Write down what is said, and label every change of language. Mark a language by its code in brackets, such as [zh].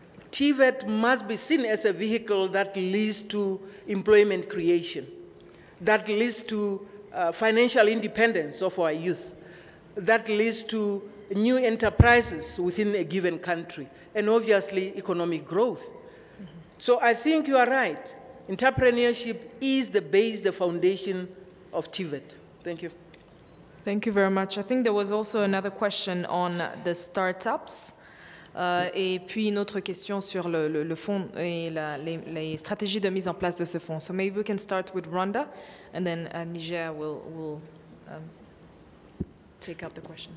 [en] TVET must be seen as a vehicle that leads to employment creation, that leads to financial independence of our youth, that leads to new enterprises within a given country, and obviously economic growth. So I think you are right. Entrepreneurship is the base, the foundation of TVET. Thank you. Thank you very much. I think there was also another question on the startups. [fr] Et puis une autre question sur le fond et les stratégies de mise en place de ce fonds. [en] So maybe we can start with Rwanda, and then Niger will take up the question.